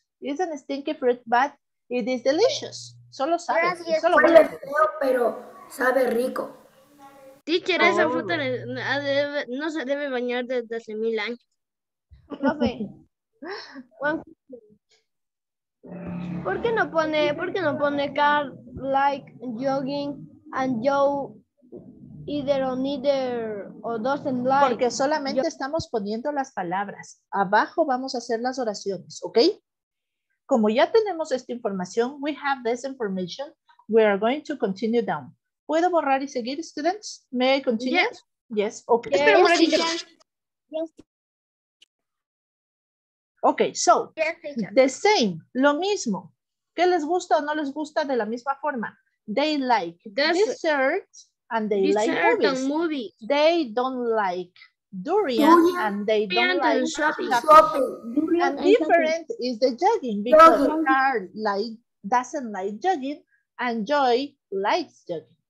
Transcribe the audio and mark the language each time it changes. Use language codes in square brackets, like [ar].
[en] It's a stinky fruit, but it is delicious. [es] Solo sabe. Pero así es, solo huele feo, pero sabe rico. Teacher, esa fruta no se debe bañar desde hace 1000 años. Profe, ¿por qué no pone [en] Carl like jogging and Joe either or doesn't like? [es] Porque solamente estamos poniendo las palabras. Abajo vamos a hacer las oraciones, ¿ok? Como ya tenemos esta información, [en] we have this information, we are going to continue down. [es] ¿Puedo borrar y seguir, students? [en] May I continue? Yes. Yes, okay. [es] Yes. Espera un momentito. Yes. [en] Okay, so, the same, [es] lo mismo. ¿Qué les gusta o no les gusta de la misma forma? [en] They like desserts and they like movies. They don't like durian and they don't like shopping. And different is the jogging because Carl doesn't like jogging and Joy likes jogging.